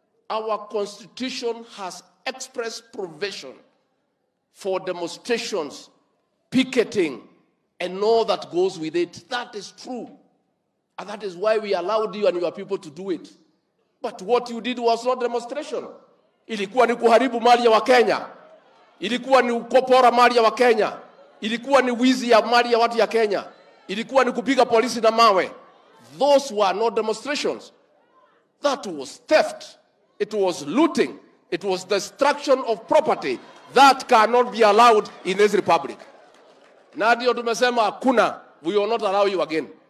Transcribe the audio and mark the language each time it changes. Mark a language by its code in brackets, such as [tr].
[en] Our constitution has express provision for demonstrations, picketing, and all that goes with it. That is true. And that is why we allowed you and your people to do it. But what you did was not demonstration. [sw] Ilikuwa ni kuharibu mali ya Wakenya. Ilikuwa ni kupora mali ya Wakenya. Ilikuwa ni wizi ya mali ya watu ya Kenya. Ilikuwa ni kupiga polisi na mawe. [en] Those were not demonstrations. That was theft. It was looting. It was destruction of property. That cannot be allowed in this republic. [sw] Nadio tumesema hakuna. [en] We will not allow you again.